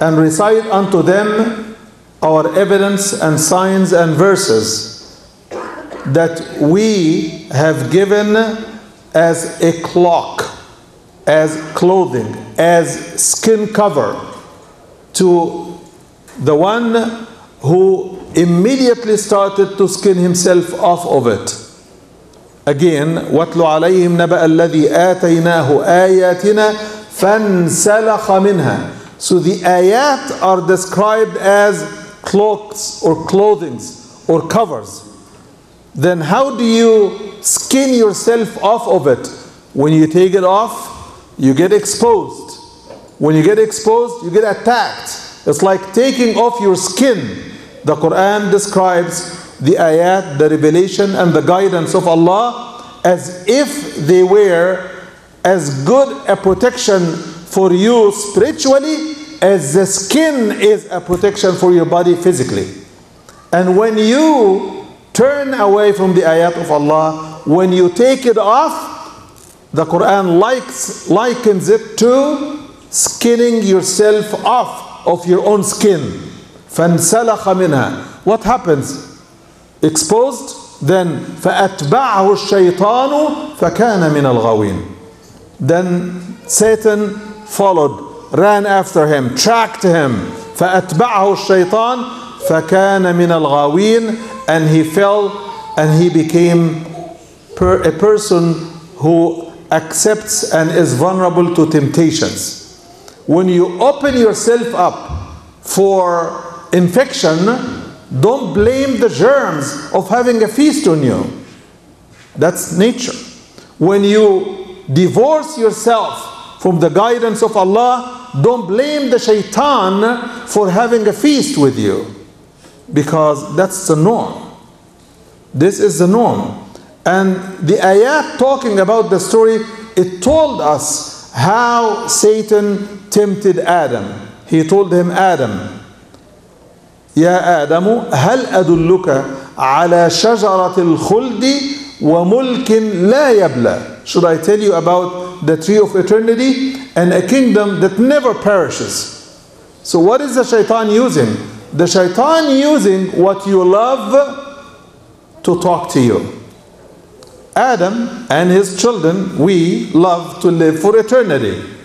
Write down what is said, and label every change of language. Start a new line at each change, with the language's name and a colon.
English: And recite unto them our evidence and signs and verses that we have given as a cloak, as clothing, as skin cover to the one who immediately started to skin himself off of it. Again,
Arabic: وَاتْلُ عَلَيْهِمْ نَبَأَ الَّذِي آتَيْنَاهُ آيَاتِنَا فَانْسَلَخَ مِنْهَا.
English: So the ayat are described as cloaks or clothings or covers. Then how do you skin yourself off of it? When you take it off, you get exposed. When you get exposed, you get attacked. It's like taking off your skin. The Quran describes the ayat, the revelation, and the guidance of Allah as if they were as good a protection for you spiritually as the skin is a protection for your body physically. And when you turn away from the ayat of Allah, when you take it off, the Quran likens it to skinning yourself off of your own skin.
Arabic: فَانْسَلَخَ مِنْهَا.
English: What happens? Exposed, then
Arabic: فَأَتْبَعَهُ الشَّيْطَانُ فَكَانَ مِنَ الْغَوِينَ.
English: Then Satan followed, ran after him, tracked him.
Arabic: فَأَتْبَعَهُ الشَّيْطَانُ فَكَانَ مِنَ الْغَوِينَ.
English: And he fell and he became a person who accepts and is vulnerable to temptations. When you open yourself up for infection, don't blame the germs of having a feast on you. That's nature. When you divorce yourself from the guidance of Allah, don't blame the shaitan for having a feast with you, because that's the norm. This is the norm. And the ayat talking about the story, it told us how Satan tempted Adam. He told him, Adam,
Arabic: يَا آدَمُ هَلْ أَدُلُّكَ عَلَى شَجَرَةِ الْخُلْدِ وَمُلْكٍ لَا يَبْلَى.
English: Should I tell you about the tree of eternity and a kingdom that never perishes? So what is the shaitan using? The shaitan using what you love to talk to you. Adam and his children, we love to live for eternity.